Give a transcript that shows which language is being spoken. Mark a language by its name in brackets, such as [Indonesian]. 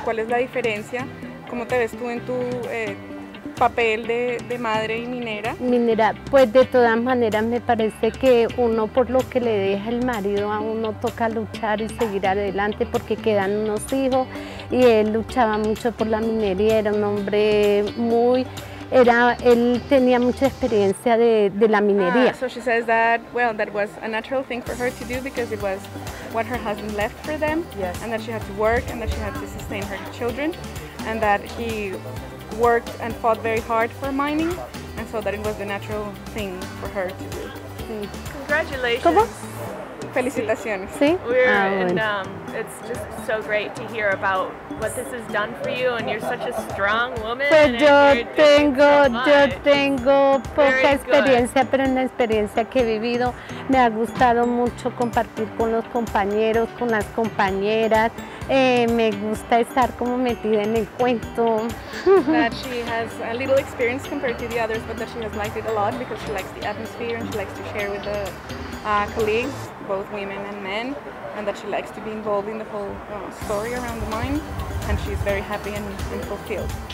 [Spanish] ¿Cuál es la diferencia? ¿Cómo te ves tú en tu papel de madre y minera? Minera, pues de todas maneras me parece que uno, por lo que le deja el marido a uno, toca luchar y seguir adelante porque quedan unos hijos, y él luchaba mucho por la minería, era un hombre muy... él tenía mucha experiencia de la minería. [English] So she says that, well, that was a natural thing for her to do because it was what her husband left for them. Yes. And that she had to work, and that she had to sustain her children, and that he worked and fought very hard for mining, and so that it was the natural thing for her to do. Congratulations. [Spanish] ¿Cómo? Felicitaciones. Sí. [English] It's just so great to hear about what this has done for you, and you're such a strong woman. [Spanish] Pues yo tengo poca experiencia, pero en la experiencia que he vivido me ha gustado mucho compartir con los compañeros, con las compañeras. Me gusta estar como metida en el cuento. [English] That she has a little experience compared to the others, but that she has liked it a lot because she likes the atmosphere and she likes to share with the colleagues, both women and men, and that she likes to be involved in the whole story around the mine, and she's very happy and fulfilled.